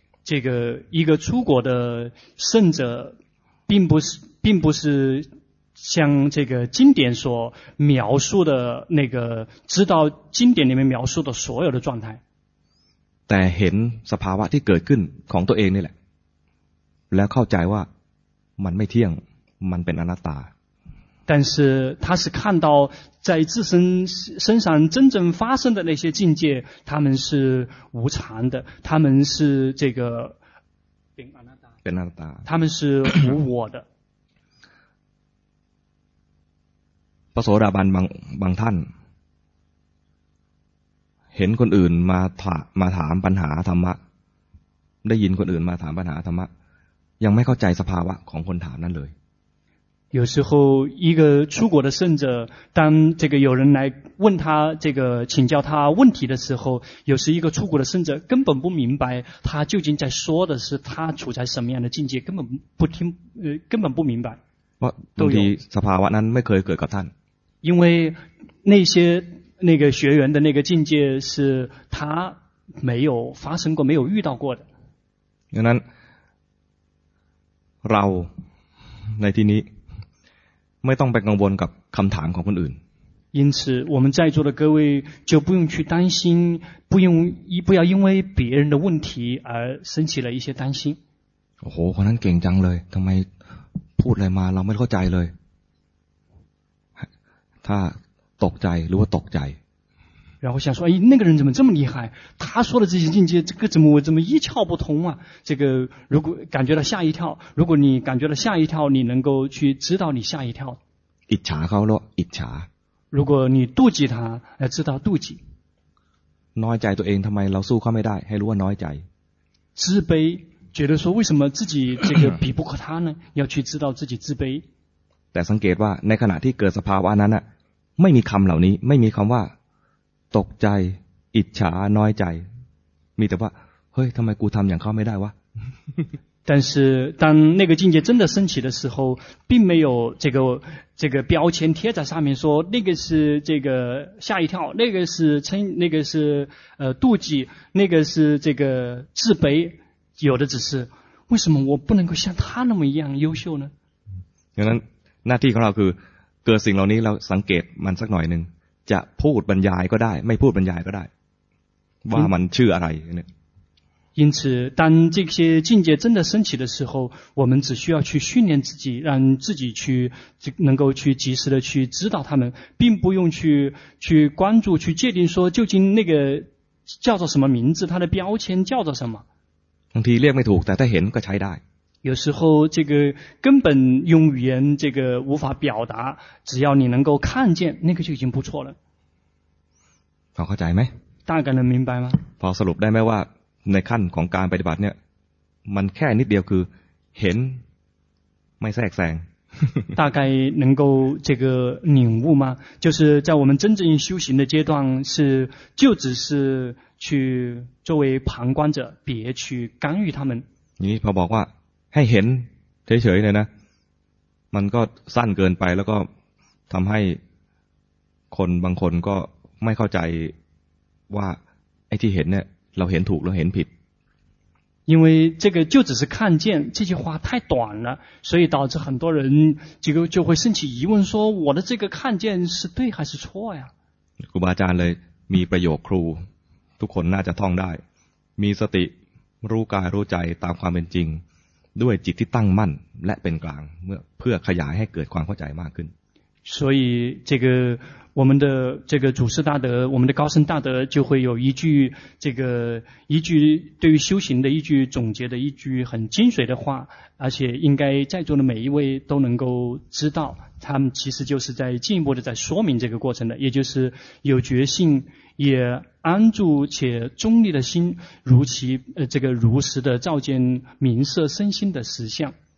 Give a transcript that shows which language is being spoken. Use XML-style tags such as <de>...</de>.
<zh>这个一个出果的圣者并不是像这个经典所描述的那个知道经典里面描述的所有的状态</zh> <th>แต่เห็นสภาวะที่เกิดขึ้นของตัวเองนี่แหละแล้วเข้าใจว่ามันไม่เที่ยงมันเป็นอนัตตา</th> <zh>但是他是看到在自身身上真正发生的那些境界，他们是无常的，他们是这个，他们是无我的。</zh> <th>พระโสดาบันบางท่านเห็นคนอื่นมาถามปัญหาธรรมะได้ยินคนอื่นมาถามปัญหาธรรมะยังไม่เข้าใจสภาวะของคนถามนั้นเลย</th> <zh>有时候一个出国的圣者当这个有人来问他这个请教他问题的时候有时一个出国的圣者根本不明白他究竟在说的是他处在什么样的境界根本不明白都有</zh> <th>สภาวะนั้นไม่เคยเกิดกับท่าน</th> <zh>因为那些那个学员的那个境界是他没有发生过没有遇到过的</zh> <th>ดังนั้นเราในที่นี้ไม่ต้องไปกังวลกับคำถามของคนอื่น</th> <zh>因此我们在座的各位就不用去担心不要因为别人的问题而生起了一些担心</zh> <th>โอ้โหคนนั้นเก่งจังเลยทำไมพูดอะไรมาเราไม่เข้าใจเลยถ้าตกใจหรือว่าตกใจ</th> <zh>然后想说哎那个人怎么这么厉害他说的这些境界这个怎么我怎么一窍不通啊这个如果感觉到吓一跳如果你感觉到吓一跳你能够去知道你吓一跳</zh> <th>อิจฉาเขาหรออิจฉา</th> <zh>如果你妒忌他要知道妒忌</zh> <th>น้อยใจตัวเองทำไมเราสู้เขาไม่ได้ให้รู้ว่าน้อยใจ</th> <zh>自卑觉得说为什么自己这个比不过他呢要去知道自己自卑</zh> <th>แต่สังเกตว่าในขณะที่เกิดสภาวะนั้นไม่มีคำเหล่านี้ไม่มีคำว่าตกใจอิจฉาน้อยใจมีแต่ว่าเฮ้ยทำไมกูทำอย่างเขาไม่ได้วะ</th> <zh>但是当那个境界真的升起的时候，并没有这个标签贴在上面说那个是这个吓一跳，那个是称，那个是妒忌，那个是这个自卑，有的只是为什么我不能够像他那么一样优秀呢？因为</zh> <th>หน้าที่ของเราคือเกิดสิ่งเหล่านี้เราสังเกตมันสักหน่อยหนึ่งจะพูดบรรยายก็ได้ไม่พูดบรรยายก็ได้ว่ามันชื่ออะไรเนี่ย</th> <zh>因此当这些境界真的升起的时候我们只需要去训练自己让自己去能够去及时的去指导他们并不用去关注去界定说究竟那个叫做什么名字它的标签叫做什么</zh> <th>บางทีเรียกไม่ถูกแต่ถ้าเห็นก็ใช้ได้</th> <zh>有时候这个根本用语言这个无法表达只要你能够看见那个就已经不错了</zh> <th>พอเข้าใจไหม</th> <zh>大概能明白吗</zh> <th>พอสรุปได้ไหมว่าในขั้นของการปฏิบัติเนี่ยมันแค่นิดเดียวคือเห็นไม่แทรกแซง</th> <zh>大概能够这个领悟吗就是在我们真正修行的阶段是就只是去作为旁观者别去干预他们</zh> <th>นี่พอบอกว่าให้เห็นเฉยๆเลยนะมันก็สั้นเกินไปแล้วก็ทำให้คนบางคนก็ไม่เข้าใจว่าไอ้ที่เห็นเนี่ยเราเห็นถูกเราเห็นผิด</th> <zh>因为这个就只是看见这句话太短了所以导致很多人就会升起疑问说我的这个看见是对还是错呀</zh> <th>ครูบาอาจารย์เลยมีประโยคครูทุกคนน่าจะท่องได้มีสติรู้กายรู้ใจตามความเป็นจริงด้วยจิตที่ตั้งมั่นและเป็นกลางเพื่อขยายให้เกิดความเข้าใจมากขึ้น</th> <zh>所以这个我们的这个祖师大德我们的高僧大德就会有一句这个一句对于修行的一句总结的一句很精髓的话而且应该在座的每一位都能够知道他们其实就是在进一步的在说明这个过程的也就是有觉性也安住且中立的心如其这个如实的照见名色身心的实相</zh>